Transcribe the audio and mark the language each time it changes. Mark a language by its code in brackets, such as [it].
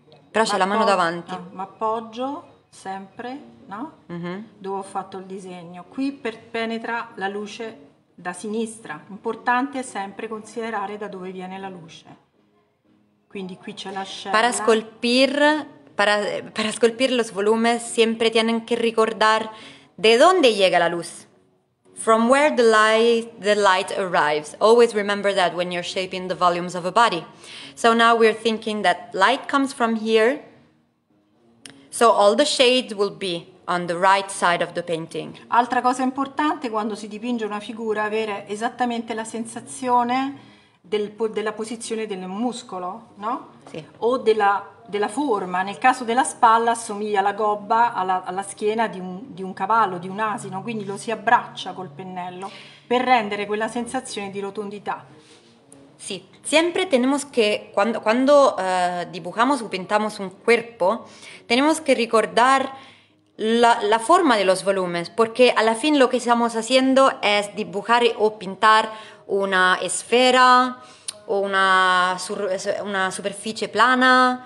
[it] Però c'è la mano davanti. No, m'appoggio sempre, no? Mm-hmm. Dove ho fatto il disegno. Qui penetra la luce da sinistra. Importante è sempre considerare da dove viene la luce. Quindi qui c'è la scena. [es] Para scolpir los volumes siempre tienen que recordar de dónde llega la luz. [en] From where the light arrives. Always remember that when you're shaping the volumes of a body. So now we're thinking that light comes from here. So all the shades will be on the right side of the painting. [it] Altra cosa importante quando si dipinge una figura avere esattamente la sensazione della posizione del muscolo, no? Sì. O della forma. Nel caso della spalla assomiglia alla gobba, alla schiena di un cavallo, di un asino, quindi lo si abbraccia col pennello per rendere quella sensazione di rotondità. [es] Sì, sempre tenemos que, quando dibujamos o pintamos un cuerpo, tenemos que recordar la forma de los volumes, porque a la fin lo que estamos haciendo es dibujar o pintar una esfera o una superficie plana.